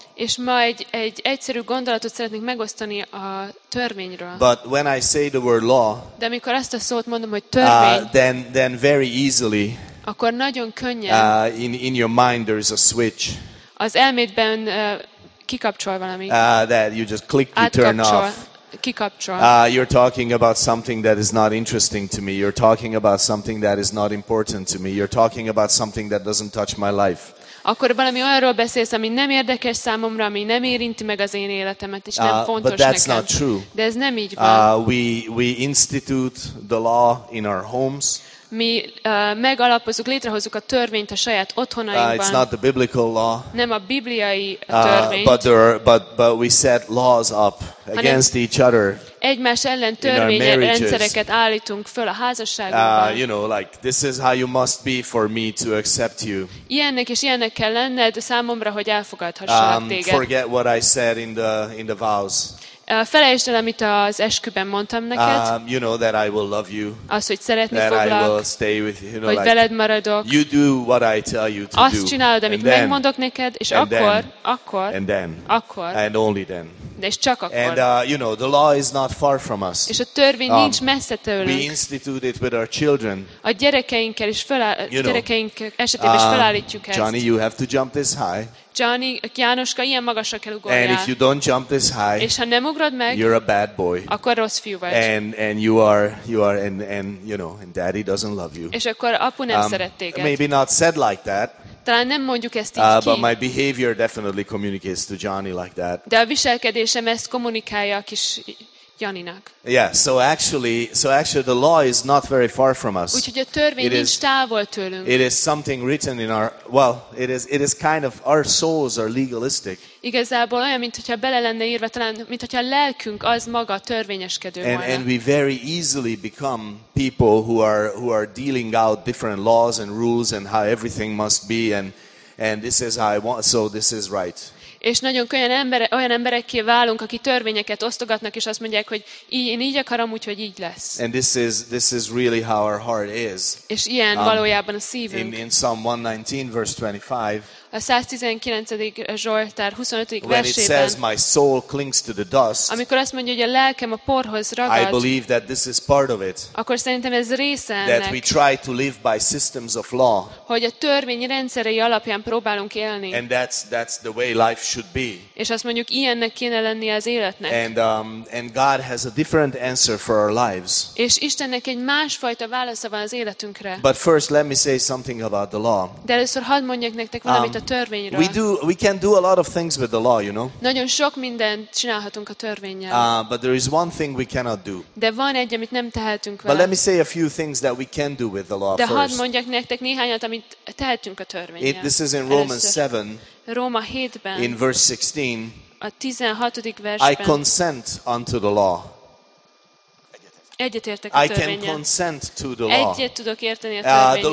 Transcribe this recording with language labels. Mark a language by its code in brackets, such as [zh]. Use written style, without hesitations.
[hu] És ma egy egyszerű gondolatot szeretnék megosztani a törvényről. [en] But when I say the word law, [hu] de amikor azt a szót mondom, hogy törvény, [en] then very easily, [hu] akkor nagyon könnyen, [en] in your mind there is a switch. [hu] Az elmédben kikapcsol valami. [en] That you just click to turn off. [hu] Kikapcsol. [en] You're talking about something that is not interesting to me. You're talking about something that is not important to me. You're talking about something that doesn't touch my life. [hu] Akkor valami olyanról beszélsz, ami nem érdekes számomra, ami nem érinti meg az én életemet, és nem fontos nekem. [en] But that's [hu] nekem. [en] Not true. [hu] De ez nem így van. [en] We institute the law in our homes. [hu] Mi megalapozzuk, létrehozzuk a törvényt a saját otthonainkban. [en] It's not the biblical law. [hu] Nem a bibliai törvényt. [en] But we set laws up against each other. [hu] Egymás ellen törvényrendszereket állítunk föl a házasságunkban. [en] You know, like this is how you must be for me to accept you. [hu] Ilyennek és ilyennek kell lenned számomra, hogy elfogadhassalak téged. [en] Forget what I said in the vows. [hu] Felejtsd el, amit az esküben mondtam neked. [en] You know that I will love you. [hu] Azt, hogy szeretni foglak. [en] That I will stay with you. [hu] Hogy veled maradok. [en] You do what I tell you to [hu] azt csinálod, amit [en] then, [hu] megmondok neked, és akkor, [en] and then, [hu] akkor, [en] and only then. [hu] De és csak akkor. [en] And you know, the law is not far from us. [hu] És a törvény nincs messze tőlünk. [en] We institute it with our children. [hu] A gyerekeinkkel is gyerekeink esetében is felállítjuk ezt. [en] Johnny, you have to jump this high. [hu] Johnny, Jánoska, ilyen magasra kell ugorjál. [en] And if you don't jump this high, [hu] és ha nem ugrod meg, [en] you're a bad boy. [hu] Akkor rossz fiú vagy. [en] And you are and you know, and daddy doesn't love you. [hu] És akkor apu nem szeret téged. [en] Maybe not said like that. [hu] Talán nem mondjuk ezt így [en] But my behavior definitely communicates to Johnny like that. [hu] De a viselkedésem ezt kommunikálja a kis Janinak. [en] Yeah, so actually the law is not very far from us. [hu] Úgyhogy a törvény nincs távol tőlünk. [en] It is something written in our, well, it is kind of our souls are legalistic. [hu] Igazából olyan, mint hogyha bele lenne írva, talán mint hogyha a lelkünk az maga törvényeskedő volna. [en] And we very easily become people who are dealing out different laws and rules and how everything must be and this is how I want, so this is right. [hu] És nagyon könnyen olyan emberekké válunk, akik törvényeket osztogatnak, és azt mondják, hogy én így akarom, úgyhogy így lesz. [en] And this is really how our heart is. [hu] És ilyen valójában a szívünk. [en] In Psalm 119, verse 25. [hu] A 119. Zsoltár 25. [en] When [hu] versében. [en] It says, my soul clings to the dust. [hu] Amikor azt mondja, hogy a lelkem a porhoz ragad. [en] I believe that this is part of it. [hu] Akkor szerintem ez része ennek. [en] That we try to live by systems of law. [hu] Hogy a törvény rendszerei alapján próbálunk élni. [en] And that's the way life should be. [hu] És azt mondjuk, ilyennek kéne lenni az életnek. [en] And God has a different answer for our lives. [hu] És Istennek egy másfajta válasza van az életünkre. [en] But first let me say something about the law. [hu] De először hadd mondjak nektek valamit a törvényről. [en] We can do a lot of things with the law, you know. [hu] Nagyon sok mindent csinálhatunk a törvénnyel. [en] But there is one thing we cannot do. [hu] De van egy, amit nem tehetünk vele. [en] But let me say a few things that we can do with the law [hu] first. De hadd mondjak nektek néhányat, amit tehetünk a törvénnyel. [en] This is in Romans 7. [hu] Róma 7-ben. [en] In verse 16. [hu] A 16. versben. [en] I consent unto the law. [hu] Egyetértek a [en] törvényen. I can consent to the law. [hu] Egyet tudok érteni a törvényen.